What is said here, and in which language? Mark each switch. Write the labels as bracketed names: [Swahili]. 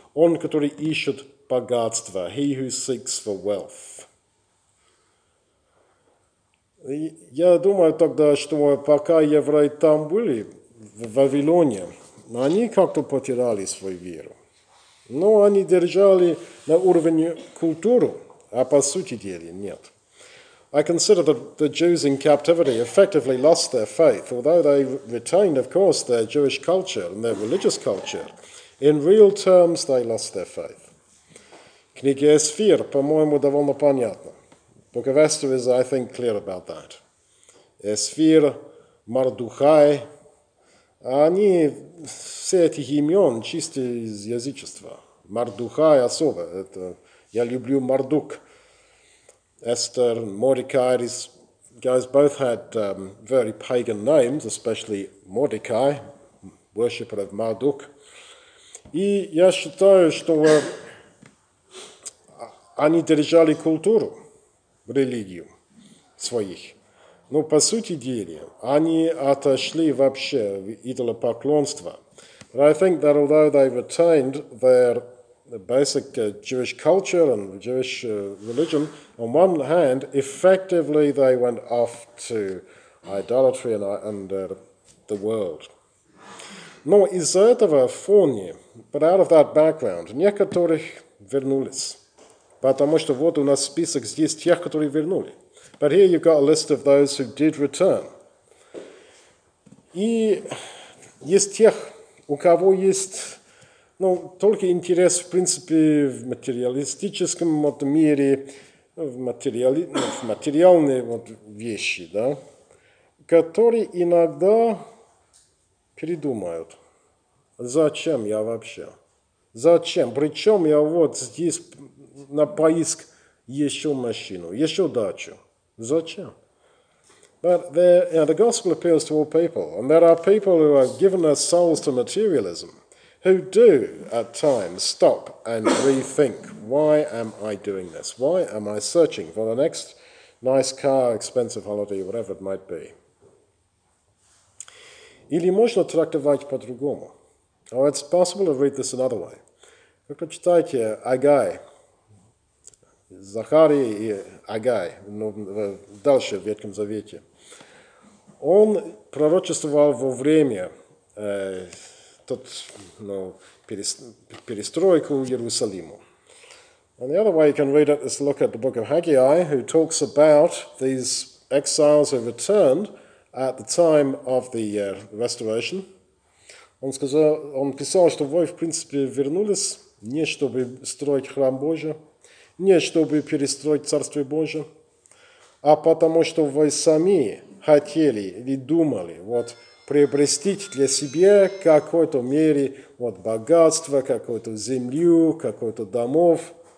[Russian] On katori ishut bagatstva, [English] he who seeks for wealth. [Russian] Я думаю тогда, что пока евреи там были, в Вавилоне, они как-то потеряли свою веру. Но они держали на уровне культуру, а по сути дела нет. [English] I consider that the Jews in captivity effectively lost their faith, although they retained, of course, their Jewish culture and their religious culture. In real terms, they lost their faith. [Russian] Книга Эсфир, по-моему, довольно понятна. [English] Book of Esther is, I think, clear about that. [Russian] Эсфир, Мардухай, они, все эти имен чисто из язычества. Мардухай особо, это я люблю Мардук. [English] Esther, Mordecai, these guys both had very pagan names, especially Mordecai, worshipper of Marduk. [Russian] И я считаю, что они держали культуру, религию своих. Но по сути дела, они отошли вообще в идолопоклонство. [English] But I think that although they retained their basic Jewish culture and Jewish religion, on one hand, effectively they went off to idolatry and the world. [Russian] Но из этого фона, [English] but out of that background, [Russian] некоторых вернулись. Потому что вот у нас список здесь тех, которые вернули. [English] But here you've got a list of those who did return. [Russian] И есть тех, у кого есть ну, только интерес, в принципе, в материалистическом вот, мире, в материальные вот, вещи, да, которые иногда передумают, зачем я вообще, зачем, причем я вот здесь на поиск еще машину, еще дачу, зачем? [English] But there, you know, the gospel appeals to all people, and there are people who have given their souls to materialism, who do at times stop and rethink, why am I doing this? Why am I searching for the next nice car, expensive holiday, whatever it might be? [Russian] Или можно трактовать по-другому? [English] Or it's possible to read this another way. [Russian] Вы прочитайте Агай, Захарий и Агай, дальше в Ветхом Завете. Он пророчествовал во время перестройку Иерусалима. [English] And the other way you can read it is to look at the book of Haggai, who talks about these exiles who returned at the time of the restoration. [Russian] Он сказал, он писал, что вы, в принципе, вернулись не чтобы строить храм Божий, не чтобы перестроить Царствие Божие, а потому что вы сами хотели или думали, вот, приобрести для себя какой-то мере вот, богатство, какую-то землю, какой-то домов.